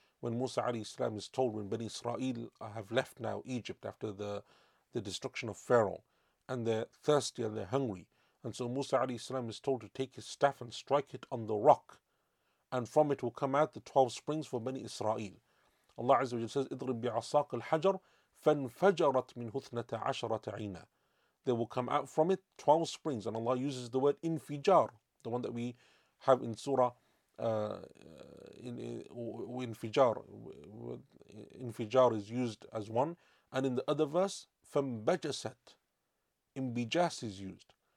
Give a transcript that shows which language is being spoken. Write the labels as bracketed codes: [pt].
[en] when Musa alayhi salam is told, when Bani Israel have left now Egypt after the destruction of Pharaoh, and they're thirsty and they're hungry. And so Musa alayhi salam is told to take his staff and strike it on the rock, and from it will come out the 12 springs for Bani Israel. Allah Azza wa Jalla says, [ar] اضرب بعصاك الحجر فانفجرت منه 12 عينا. [en] There will come out from it 12 springs. And Allah uses the word infijar, the one that we have in surah, infijar is used as one. And in the other verse, fambajasat, imbijas is used.